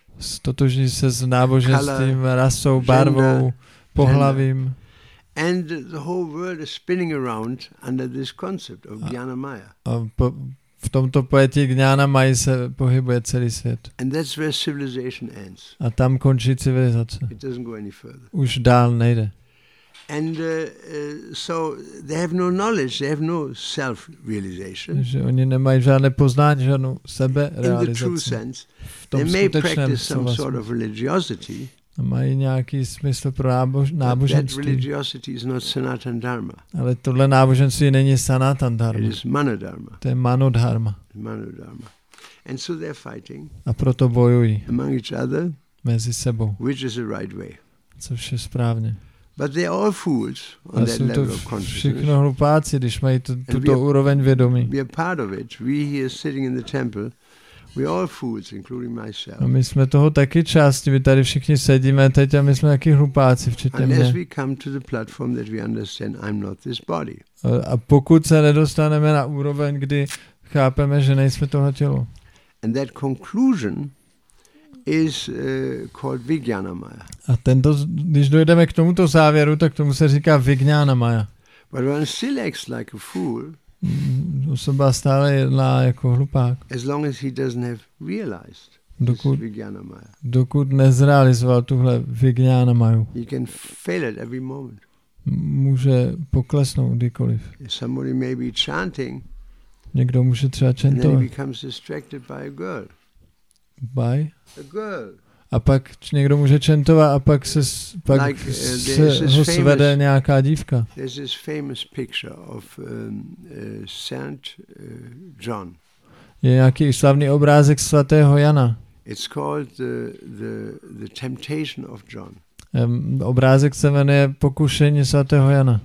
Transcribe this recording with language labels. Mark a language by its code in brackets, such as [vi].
[cs] Stotožní se s náboženstvím, [en] color, [cs] rasou, barvou, [en] gender, [cs] pohlavím. [en] And the whole world is spinning around under this concept of gyanamaya. [cs] V tomto pojetí gyanamaya se pohybuje celý svět. [en] And that's where civilization ends. [cs] A tam končí civilizace. [en] It doesn't go any further. [cs] Už dál nejde. [en] And so they have no knowledge, they have no self-realization. [cs] Že oni nemají žádné poznání, žádnou seberealizaci. [en] In the true sense, they may practice some sort of religiosity. [cs] A mají nějaký smysl pro náboženství. [en] That religiosity is not Sanatan Dharma. [cs] Ale tohle náboženství není Sanatan Dharma. [en] It is Manodharma. [cs] To je Manodharma. [en] Manodharma. And so they're fighting. [cs] A proto bojují. [en] Among each other. [cs] Mezi sebou. [en] Which is the right way. [cs] Což je správně. [en] But they're all fools on that level of consciousness. [cs] Všichni hlupáci, když mají tuto úroveň vědomí. [en] We are part of it. We here sitting in the temple. We all fools, including myself. [cs] A my jsme toho taky části, my tady všichni sedíme teď a my jsme taky hlupáci, včetně mě. [en] Unless we come to the platform that we understand I'm not this body. [cs] A pokud se nedostaneme na úroveň, kdy chápeme, že nejsme tohle tělo. [en] And that conclusion is called Vijnanamaya. [cs] A tento, když dojdeme k tomuto závěru, tak tomu se říká Vijnanamaya. [en] But one still acts like a fool. [cs] Osoba stále jedná jako hlupák. [en] As long as he doesn't have realized [cs] Vijnanamaya. Dokud nezrealizoval tuhle Vijnanamayu. [en] He can fail at every moment. [cs] Může poklesnout kdykoliv. [en] Somebody may be chanting. [cs] Někdo může třeba chantovat. [en] And then he becomes distracted by a girl. By? A girl. [cs] A pak někdo může chantovat a pak se pak [en] like, [cs] se ho svede nějaká dívka. [en] There's this famous picture of Saint John. [cs] Je nějaký slavný obrázek svatého Jana. [en] It's called the Temptation of John. [cs] Obrázek se jmenuje Pokušení svatého Jana.